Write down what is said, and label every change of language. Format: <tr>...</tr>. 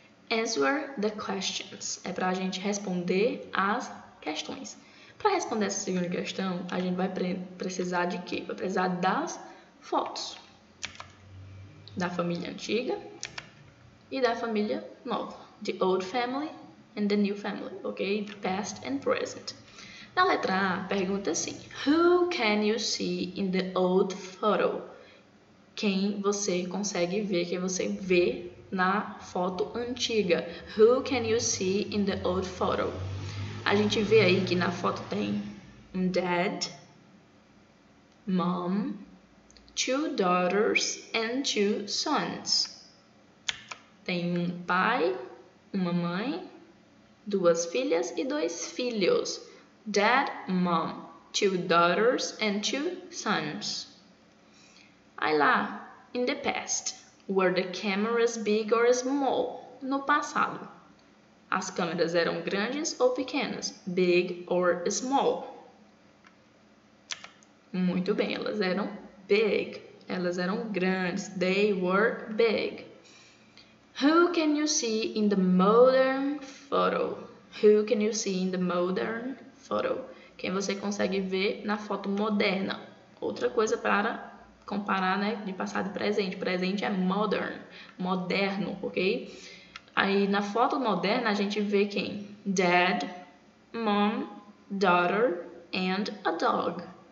<en>Answer the questions.</en> <pt>É para a gente responder as questões. Para responder essa segunda questão, a gente vai precisar de quê? Vai precisar das fotos da família antiga e da família nova.</pt> <en>The old family and the new family, ok? Past and present.</en> <pt>Na letra A, pergunta assim:</pt> <en>Who can you see in the old photo?</en> <pt>Quem você consegue ver, quem você vê na foto antiga?</pt> <en>Who can you see in the old photo?</en> <pt>A gente vê aí que na foto tem um</pt> <en>dad, mom, two daughters and two sons.</en> <pt>Tem um pai, uma mãe, duas filhas e dois filhos.</pt> <en>Dad, mom, two daughters and two sons.</en> <pt>Aí lá,</pt> <en>in the past, were the cameras big or small?</en> <pt>No passado, as câmeras eram grandes ou pequenas?</pt> <en>Big or small?</en> <pt>Muito bem, elas eram big. Elas eram grandes.</pt> <en>They were big. Who can you see in the modern photo? Who can you see in the modern photo?</en> <pt>Quem você consegue ver na foto moderna? Outra coisa para comparar, né, de passado e presente. Presente é modern, moderno, ok? Aí na foto moderna a gente vê quem?</pt> <en>Dad, mom, daughter and a dog.</en>